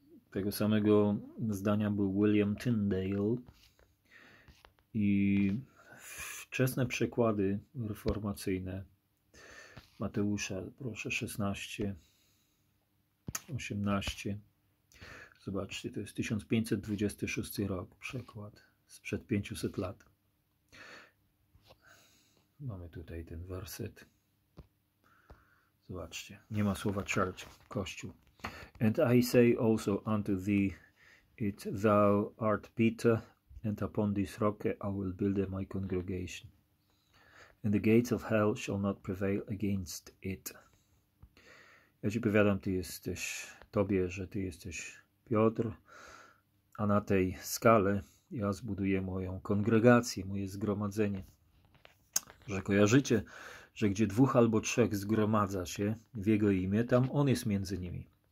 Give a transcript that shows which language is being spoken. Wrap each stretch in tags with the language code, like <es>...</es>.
<pl>Tego samego zdania był William Tyndale i wczesne przekłady reformacyjne Mateusza, proszę, 16, 18. Zobaczcie, to jest 1526 rok, przekład sprzed 500 lat. Mamy tutaj ten werset. Zobaczcie, nie ma słowa church, kościół.</pl> <en>And I say also unto thee, it thou art Peter, and upon this rock I will build my congregation. And the gates of hell shall not prevail against it.</en> <pl>Ja ci powiadam, ty jesteś, tobie, że ty jesteś Piotr, a na tej skale ja zbuduję moją kongregację, moje zgromadzenie. Że kojarzycie, że gdzie dwóch albo trzech zgromadza się w jego imię, tam on jest między nimi.</pl>